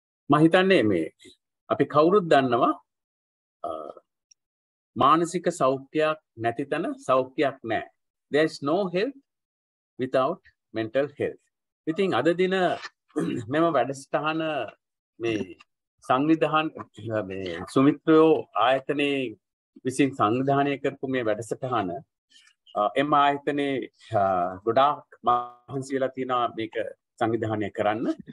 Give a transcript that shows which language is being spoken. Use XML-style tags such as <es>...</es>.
<si>මම හිතන්නේ මේ අපි කවුරුත් දන්නවා මානසික සෞඛ්‍යයක් නැති තැන සෞඛ්‍යයක් නැහැ.</si> <en>There is no health without mental health.</en> <si>ඉතින් අද දින මම වැඩසටහන මේ සංවිධාන මේ සුමිත්‍රයෝ ආයතනයේ විසින් සංවිධානය කරපු මේ වැඩසටහන එම් ආයතනයේ ගොඩාක් මහන්සියලා තියෙනවා මේක සංවිධානය කරන්න.</si>